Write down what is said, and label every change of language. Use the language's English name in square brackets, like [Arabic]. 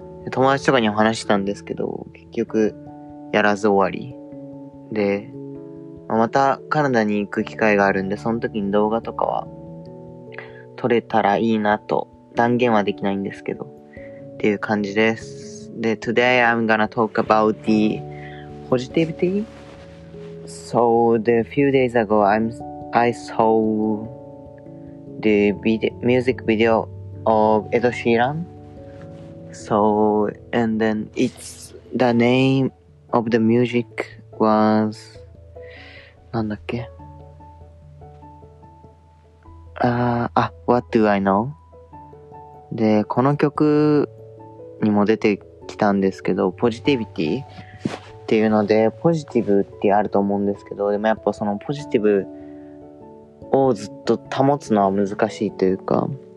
[Japanese] 友達とかにも話したんですけど、結局やらず終わりで、またカナダに行く機会があるんで、その時に動画とかは撮れたらいいなと、断言はできないんですけどっていう感じです。 [English] で Today I'm gonna talk about the positivity. So the few days ago I saw the music video of Ed Sheeran. So and then it's the name of the music was [Japanese] なんだっけ、 [English] What Do I Know? [Japanese] で、この曲にも出てきたんですけど、ポジティビティっていうので、ポジティブってあると思うんですけど、でもやっぱそのポジティブをずっと保つのは難しいというか、